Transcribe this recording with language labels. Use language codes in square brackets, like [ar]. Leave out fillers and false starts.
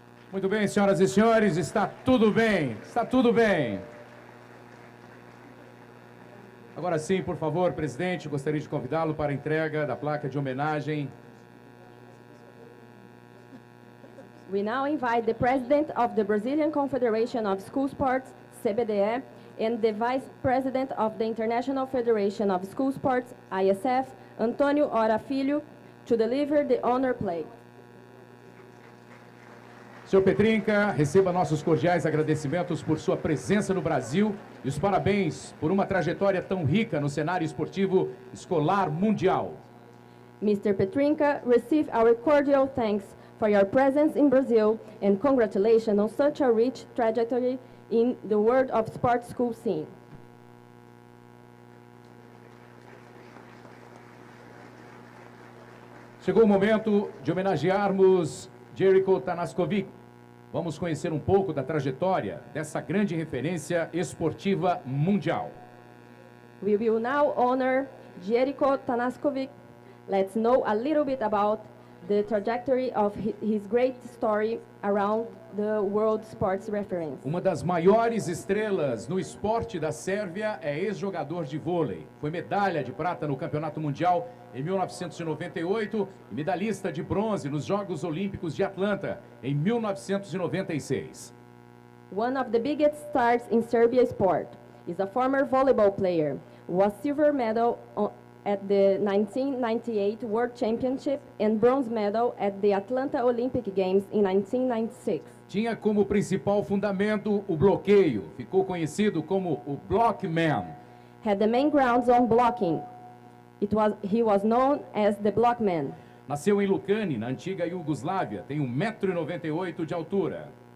[pt] Muito bem, senhoras e senhores, está tudo bem, está tudo bem. Agora sim, por favor, presidente, gostaria de convidá-lo para a entrega da placa de homenagem. [en] We now invite the president of the Brazilian Confederation of School Sports, CBDE, and the vice president of the International Federation of School Sports, ISF, Antônio Ora Filho, to deliver the honor plate. [pt] Senhor Petrinca, receba nossos cordiais agradecimentos por sua presença no Brasil e os parabéns por uma trajetória tão rica no cenário esportivo escolar mundial. [en] Mr. Petrinca, receive our cordial thanks for your presence in Brazil and congratulations on such a rich trajectory in the world of sports school scene. [pt] Chegou o momento de homenagearmos Jericho Tanaskovic, Vamos conhecer um pouco da trajetória dessa grande referência esportiva mundial. [en] We will now honor Jericho Tanaskovic. Let's know a little bit about the trajectory of his great story around the world sports reference. [pt] Uma das maiores estrelas no esporte da Sérvia é ex-jogador de vôlei. Foi medalha de prata no Campeonato Mundial em 1998 e medalhista de bronze nos Jogos Olímpicos de Atlanta em 1996. [en] One of the biggest stars in Serbia sport is a former volleyball player. Was silver medal at the 1998 World Championship and bronze medal at the Atlanta Olympic Games in 1996. [pt] Tinha como principal fundamento o bloqueio, ficou conhecido como o Block Man. [en] Had the main grounds on blocking. He was known as the Block Man. [pt] Nasceu em Lucani, na antiga Iugoslávia, tem 1,98m de altura.